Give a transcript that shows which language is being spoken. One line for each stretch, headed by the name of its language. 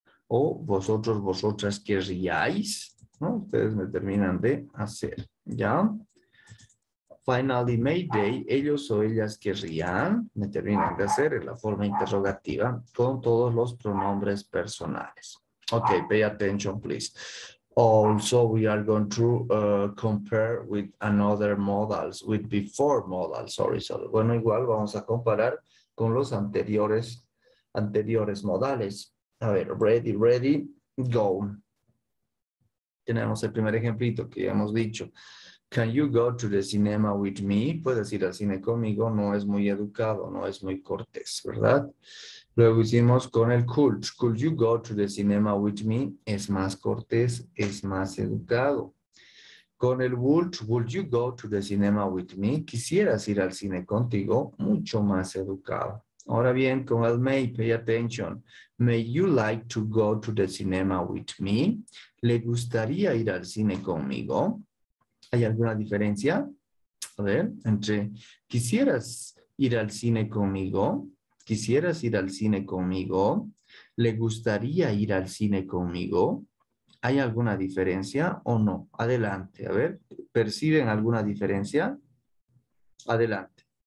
Spanish: O vosotros, vosotras querríais, ¿no? Ustedes me terminan de hacer, ¿ya?
English: Finally, may they,
Spanish: ellos o ellas querrían. Me terminan de hacer en la forma interrogativa con todos los pronombres personales.
English: Ok, pay attention, please. Also, we are going to compare with another modals, with before modals, sorry.
Spanish: Bueno, igual vamos a comparar con los anteriores modales. A ver,
English: ready, ready, go.
Spanish: Tenemos el primer ejemplito que ya hemos dicho.
English: Can you go to the cinema with me?
Spanish: Puedes ir al cine conmigo. No es muy educado, no es muy cortés, ¿verdad? Luego hicimos con el could.
English: Could you go to the cinema with me?
Spanish: Es más cortés, es más educado. Con el would.
English: Would you go to the cinema with me?
Spanish: ¿Quisieras ir al cine contigo? Mucho más educado. Ahora bien, con el may,
English: pay attention. May you like to go to the cinema with me?
Spanish: ¿Le gustaría ir al cine conmigo? ¿Hay alguna diferencia? A ver, entre quisieras ir al cine conmigo, quisieras ir al cine conmigo, le gustaría ir al cine conmigo. ¿Hay alguna diferencia o no? Adelante, a ver, ¿perciben alguna diferencia? Adelante.